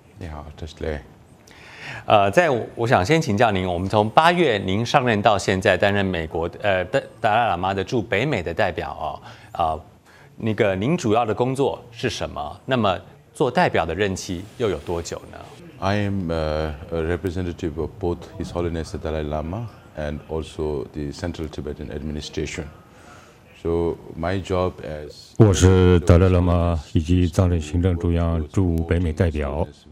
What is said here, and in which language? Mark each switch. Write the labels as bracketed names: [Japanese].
[Chinese] 你好，这是雷。我想先请教您，我们从八月您上任到现在担任美国达赖喇嘛的驻北美的代表，您主要的工作是什么？那么做代表的任期又有多久呢？ [English] I am a representative of both His Holiness the Dalai Lama and also the Central Tibetan Administration. So my job as [Chinese] 我是达赖喇嘛以及藏人行政中央驻北美代表。